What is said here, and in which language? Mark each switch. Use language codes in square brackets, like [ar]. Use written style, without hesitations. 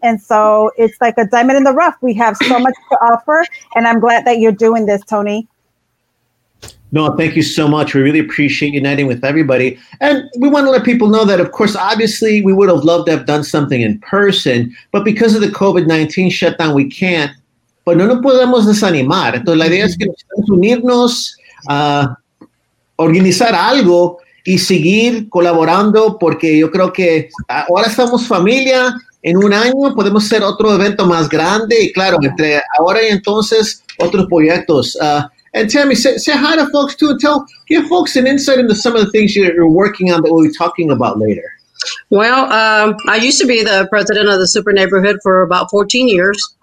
[en] And so it's like a diamond in the rough. We have so much to offer. And I'm glad that you're doing this, Tony. No, thank you so much. We really appreciate uniting with everybody. And we want to let people know that, of course, obviously we would have loved to have done something in person, but because of the COVID-19 shutdown, we can't. [es] But no podemos desanimar. Entonces, la idea es que nos unirnos, organizar algo y seguir colaborando, porque yo creo que ahora estamos familia, en un año podemos hacer otro evento más grande, y claro, entre ahora y entonces, otros proyectos. [en] And Tammy, say hi to folks too, and give folks an insight into some of the things you're working on that we'll be talking about later. Well, I used to be the president of the Super Neighborhood for about 14 years.